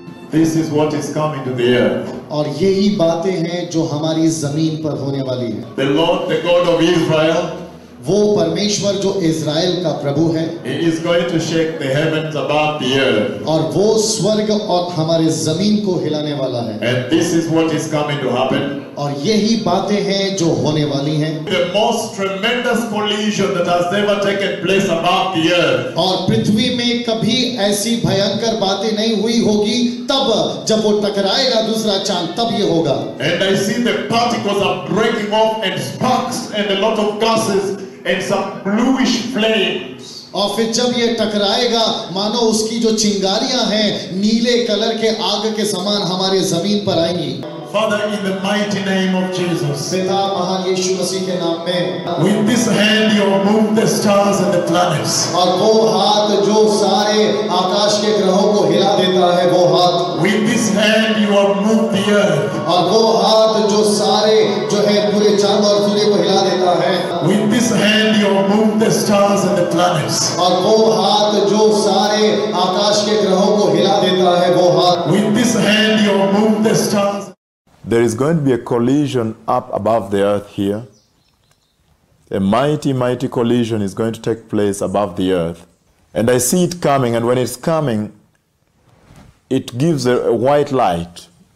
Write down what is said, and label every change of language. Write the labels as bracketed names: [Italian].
[English] This is what is coming to the earth. [Hindi] और यही बातें हैं जो हमारी ज़मीन पर होने वाली हैं. [English] The Lord, the God of Israel. [Hindi] वो परमेश्वर जो इज़राइल का प्रभु है. [English] He is going to shake the heavens above the earth. [Hindi] और वो स्वर्ग और हमारे ज़मीन को हिलाने वाला है. [English] And this is what is coming to happen. [Hindi] और यही बातें हैं जो होने वाली हैं. [English] The most tremendous collision that has ever taken place above the earth. [Hindi] और पृथ्वी में कभी ऐसी भयंकर बातें नहीं हुई होगी. तब जब वो टकराएगा दूसरा चांद तब ये होगा. [English] And I see the particles are breaking off and sparks and a lot of gases and some bluish flames. [Hindi] और फिर जब ये टकराएगा मानो उसकी जो चिंगारियां हैं नीले कलर के आग के समान हमारे जमीन पर आएंगी. [English] Father, in the mighty name of Jesus. [Hindi] पिता महान यीशु मसीह के नाम में. [English] With this hand you move the stars and the planets. [Hindi] और वो हाथ जो सारे आकाश के ग्रहों को हिला देता है वो हाथ. [English] With this hand you move the earth. [Hindi] और वो हाथ जो सारे जो है पूरे चांद और सूर्य को हिला देता है. [English] With this hand you move the stars and the planets. [Hindi] और वो हाथ जो सारे आकाश के ग्रहों को हिला देता है वो हाथ. [English] With this hand you move the stars. There is going to be a collision up above the earth here. A mighty, mighty collision is going to take place above the earth. And I see it coming, and when it's coming, it gives a white light.